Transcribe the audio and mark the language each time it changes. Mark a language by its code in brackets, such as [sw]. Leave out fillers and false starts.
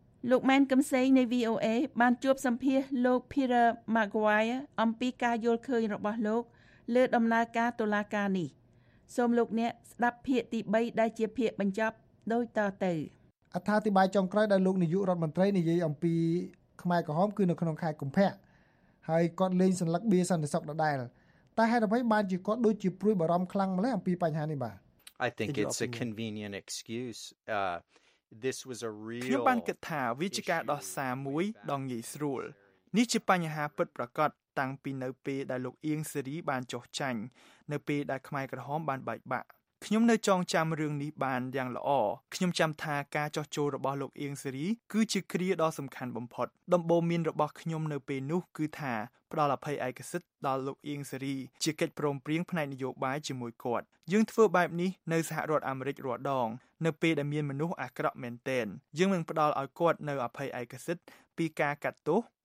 [km] លោកម៉ែនកំសែងនៃ VOA បានជួបសម្ភាសលោក Peter Maguire អំពីការយល់ឃើញរបស់លោកលើដំណើរការតុលាការនេះសូមលោកអ្នកស្ដាប់ភាគទី3ដែលជាភាគបញ្ចប់ដូចតទៅ អត្ថាធិប្បាយចុងក្រោយដែលលោកនាយករដ្ឋមន្ត្រីនិយាយអំពីខ្មែរក្រហមគឺនៅក្នុងខែកុម្ភៈហើយគាត់លែងសញ្ញាបត្រសន្តិសុខដដែលតែហេតុអ្វីបានជាគាត់ដូចជាព្រួយបារម្ភខ្លាំងម្ល៉េះអំពីបញ្ហានេះបាទ [en] I think it's a convenient excuse. This was a real [km] ខ្ញុំបានគិតថាវាជាការដោះសារមួយដ៏ងាយស្រួលនេះជាបញ្ហាពិតប្រាកដតាំងពីនៅពេលដែលលោកអៀងសេរីបានចុះចាញ់នៅពេលដែលខ្មែរក្រហមបានបែកបាក់ខ្ញុំនៅចងចាំរឿងនេះបានយ៉ាងល្អ ខ្ញុំចាំថាការចុះចូលរបស់លោកអៀងសេរីគឺជាគ្រាដ៏សំខាន់បំផុតដំបូងមានរបស់ខ្ញុំនៅពេលនោះគឺថាផ្ដល់អភ័យឯកសិទ្ធដល់លោកអៀងសេរីជាកិច្ចព្រមព្រៀងផ្នែកនយោបាយជាមួយគាត់យើងធ្វើបែបនេះនៅសហរដ្ឋអាមេរិករាល់ដងនៅពេលដែលមានមនុស្សអាក្រក់មែនទែនយើងនឹងផ្ដល់ឲ្យគាត់នៅអភ័យឯកសិទ្ធពីការកាត់ទោស